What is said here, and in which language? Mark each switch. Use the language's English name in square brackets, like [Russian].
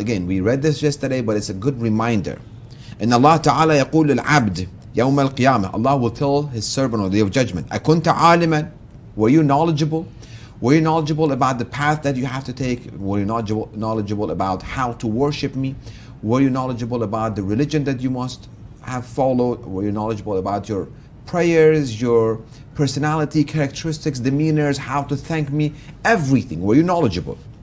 [English] Again, we read this yesterday, but it's a good reminder. [Arabic] إن الله تعالى يقول العبد يوم القيامة. [English] Allah will tell His servant on the Day of Judgment. [Arabic] أكنت عالما. [English] Were you knowledgeable? Were you knowledgeable about the path that you have to take? Were you knowledgeable about how to worship Me? Were you knowledgeable about the religion that you must have followed? Were you knowledgeable about your prayers, your personality, characteristics, demeanors, how to thank Me, everything? Were you knowledgeable?